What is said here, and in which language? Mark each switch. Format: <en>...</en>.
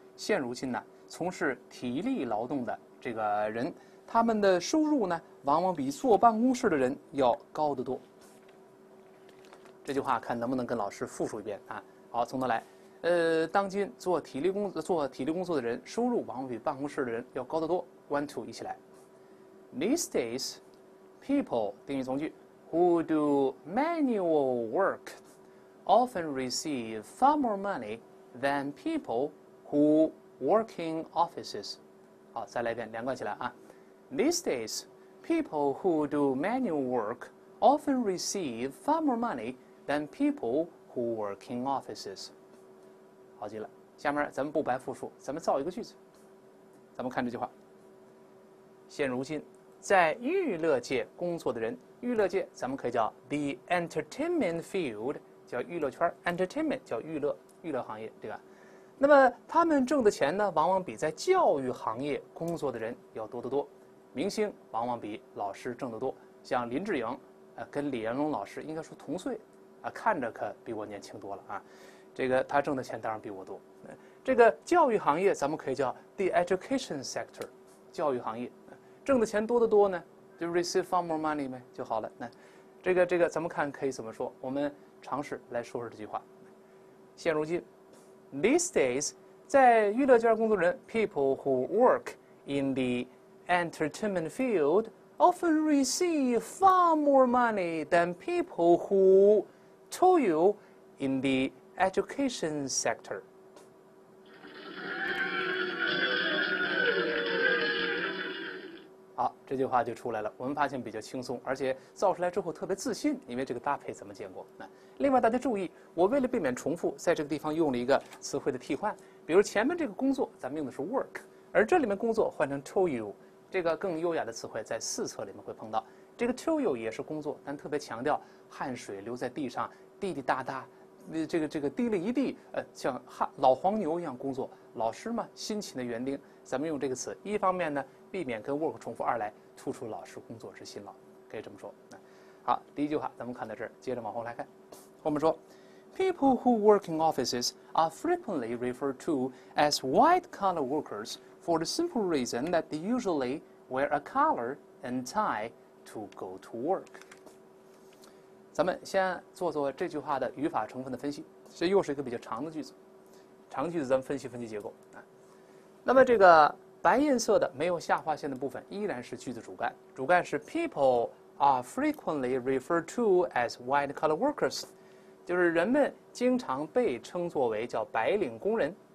<zh>现如今呢，从事体力劳动的这个人，他们的收入呢，往往比坐办公室的人要高得多。这句话看能不能跟老师复述一遍啊？好，从头来。当今做体力工作的人，收入往往比办公室的人要高得多。</zh> <en>One, two，</en> <zh>一起来。</zh> <en>These days, people</en> <zh>定语从句</zh> <en>who do manual work often receive far more money than people who work in offices。</en> <zh>好，再来一遍，连贯起来啊。</zh> <en>These days, people who do manual work often receive far more money than people who work in offices。</en> <zh>好极了，下面咱们不白复述，咱们造一个句子。咱们看这句话。现如今。在娱乐界工作的人，娱乐界咱们可以叫</zh> <en>the entertainment field，</en> <zh>叫娱乐圈，entertainment 叫娱乐行业，对吧？那么他们挣的钱呢，往往比在教育行业工作的人要多得多。明星往往比老师挣得多，像林志颖，跟李彦宏老师应该说同岁，看着可比我年轻多了啊。这个他挣的钱当然比我多。这个教育行业咱们可以叫</zh> <en>the education sector，</en> <zh>教育行业。挣的钱多得多呢，就</zh> <en>receive far more money</en> <zh>呗就好了。那这个，咱们看可以怎么说？我们尝试来说说这句话。现如今，</zh> <en>these days，</en> <zh>在娱乐圈工作人，</zh> <en>people who work in the entertainment field often receive far more money than people who toil in the education sector。</en> <zh>好，这句话就出来了。我们发现比较轻松，而且造出来之后特别自信，因为这个搭配咱们见过。那另外大家注意，我为了避免重复，在这个地方用了一个词汇的替换。比如前面这个工作，咱们用的是 work，而这里面工作换成 toil，这个更优雅的词汇在四册里面会碰到。这个 toil 也是工作，但特别强调汗水流在地上，滴滴答答，这个滴了一地，像老黄牛一样工作。老师嘛，辛勤的园丁，咱们用这个词，一方面呢。避免跟 work 重复，二来突出老师工作之辛劳，可以这么说。好，第一句话咱们看到这儿，接着往后来看。我们说</zh> <en>，People who work in offices are frequently referred to as white collar workers for the simple reason that they usually wear a collar and tie to go to work。</en> <zh>咱们先做做这句话的语法成分的分析，这又是一个比较长的句子。长句子咱们分析分析结构啊。那么这个。白颜色的没有下划线的部分依然是句子主干，主干是</zh> <en>people are frequently referred to as white collar workers，</en> <zh>就是人们经常被称作为叫白领工人。</zh>